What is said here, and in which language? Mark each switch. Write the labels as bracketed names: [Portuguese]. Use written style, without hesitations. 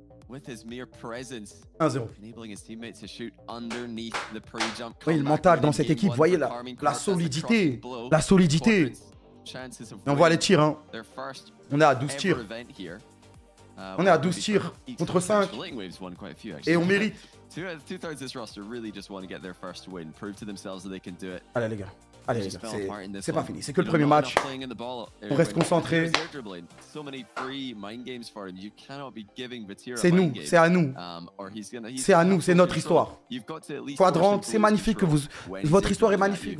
[French] Oui, le mental dans cette équipe, voyez la solidité. Et on voit les tirs, hein. On est à 12 tirs. On est à 12 tirs contre 5. Et on mérite. [English] Two-thirds this roster really just want to get their first win, prove to themselves that they can do it. [French] Allez les gars, allez les gars, c'est pas fini, c'est que le premier match. On reste concentré. C'est nous, c'est à nous. C'est à nous, c'est notre histoire. Quadrant, c'est magnifique, votre histoire est magnifique.